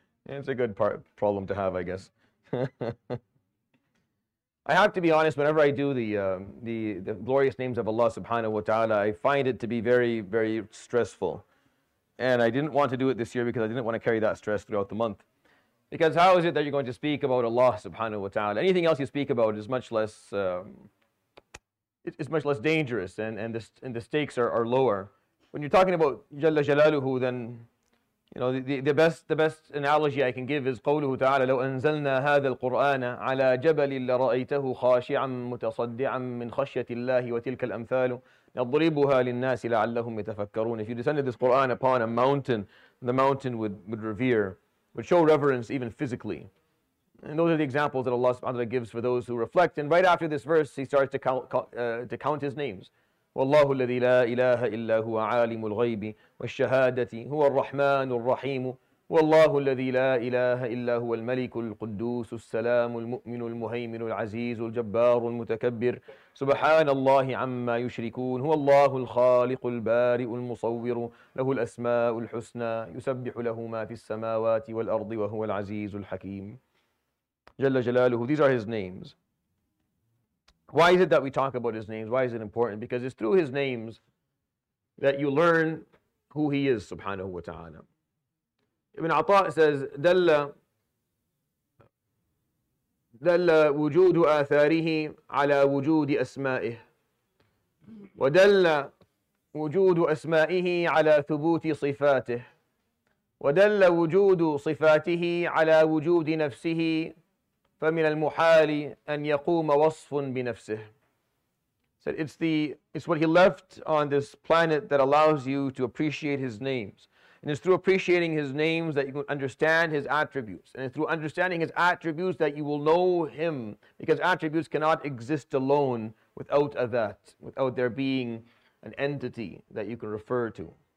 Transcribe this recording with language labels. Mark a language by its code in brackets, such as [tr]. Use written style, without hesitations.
[en] It's a good problem to have, I guess. I have to be honest, whenever I do the glorious names of Allah subhanahu wa ta'ala, I find it to be very, very stressful. And I didn't want to do it this year because I didn't want to carry that stress throughout the month. Because how is it that you're going to speak about Allah subhanahu wa ta'ala? Anything else you speak about is much less it's much less dangerous, and the stakes are lower. When you're talking about Jalla Jalaluhu, then you know, the best analogy I can give is [ar] قوله تعالى لو أنزلنا هذا القرآن على جبل لرأيته خاشعا متصدعا من خشية الله وتلك الأمثال نضربها للناس لعلهم يتفكرون. [en] If you descended this Quran upon a mountain, the mountain would revere, would show reverence even physically. And those are the examples that Allah subhanahu wa ta'ala gives for those who reflect. And right after this verse, he starts to count his names. [ar] والله الذي لا إله إلا هو عالم الغيب والشهادة هو الرحمن الرحيم والله الذي لا إله إلا هو الملك القدوس السلام المؤمن المهيمن العزيز الجبار المتكبر سبحان الله عما يشركون هو الله الخالق البارئ المصور له الأسماء الحسنى يسبح له ما في السماوات والأرض وهو العزيز الحكيم جل جلاله. [en] These are his names. Why is it that we talk about his names? Why is it important? Because it's through his names that you learn who he is, subhanahu wa ta'ala. Ibn Atta says, [ar] دَلَّ وُجُودُ آثَارِهِ عَلَى وُجُودِ أَسْمَائِهِ وَدَلَّ وُجُودُ أَسْمَائِهِ عَلَى ثُبُوتِ صِفَاتِهِ وَدَلَّ وُجُودُ صِفَاتِهِ عَلَى وُجُودِ نَفْسِهِ فَمِنَ الْمُحَالِ أَنْ يَقُومَ وَصْفٌ بِنَفْسِهِ. [en] Said it's what he left on this planet that allows you to appreciate his names. And it's through appreciating his names that you can understand his attributes. And it's through understanding his attributes that you will know him. Because attributes cannot exist alone without a that, without there being an entity that you can refer to.